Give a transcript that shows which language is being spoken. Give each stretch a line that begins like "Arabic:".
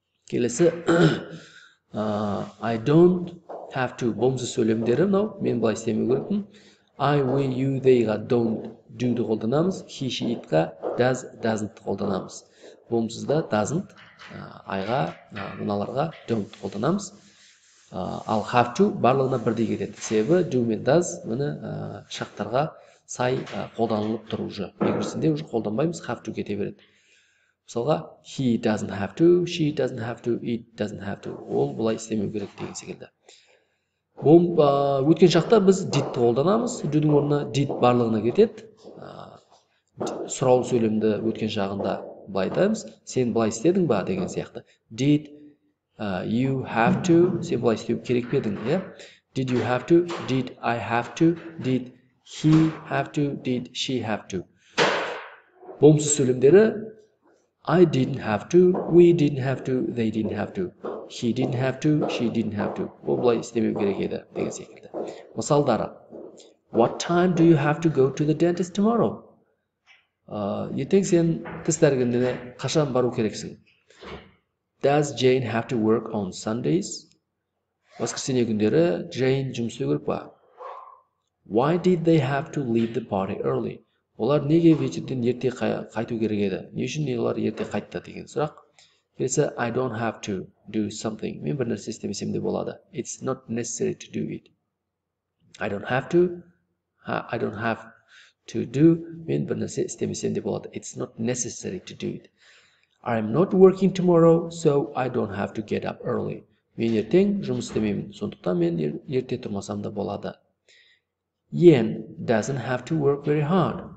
Kazakh: Келесі,
English: I don't have to.
Kazakh: Болмысы сөйлемдерім, no, мен былай істеме көріппін. I, we, you, they-ға don't do-ды қолданамыз. He, she, it-ға does, doesn't-ды қолданамыз. Болмысызда doesn't, I-ға, мыналарға don't қолданамыз. Ал have to барлығына бірдей кетеді. Себебі do мен does мені шақтарға сай қолданылып тұр уже. Екіншісінде уже қолданбаймыз, have to кете береді.
English: Мысалға he doesn't have to, she doesn't have to, it doesn't have to.
Kazakh: Ол былай істемеу керек деген секілді. Өткен шақта біз did қолданамыз. Do-дің орнына did барлығына кетеді. Сұраулы сөйлемді өткен шағында былай айтамыз. Сен былай істедің ба деген сияқты.
English: Did you have to,
Kazakh: сен былай істеу керек пе едің,
English: did you have to, did I have to, did he have to, did she have to.
Kazakh: Болымсыз сөйлемдері,
English: I didn't have to, we didn't have to, they didn't have to, he didn't have to, she didn't have to.
Kazakh: Ол былай істемеу керек еді деген секілді. Мысалдары,
English: What time do you have to go to the dentist tomorrow?
Kazakh: Ертең сен тіс дәрігеріне қашан бару керексің?
English: Does Jane have to work on Sundays?
Kazakh: Воскресенье күндері Джейн жұмыс істеу керек па?
English: Why did they have to leave the party early?
Kazakh: Олар неге вечерден ерте қайту керек еді? Не үшін олар ерте қайтты деген сұрақ? Келесі,
English: I don't have to do something.
Kazakh: Мен бір нәрсе істемесем де болады.
English: It's not necessary to do it. I don't have to. I don't have to do.
Kazakh: Мен бір нәрсе істемесем де болады.
English: It's not necessary to do it. I'm not working tomorrow, so I don't have to get up early.
Kazakh: Мен ертең жұмыс істемеймін, сондықтан мен ерте тұрмасам да болады.
English: Ian doesn't have to work very hard.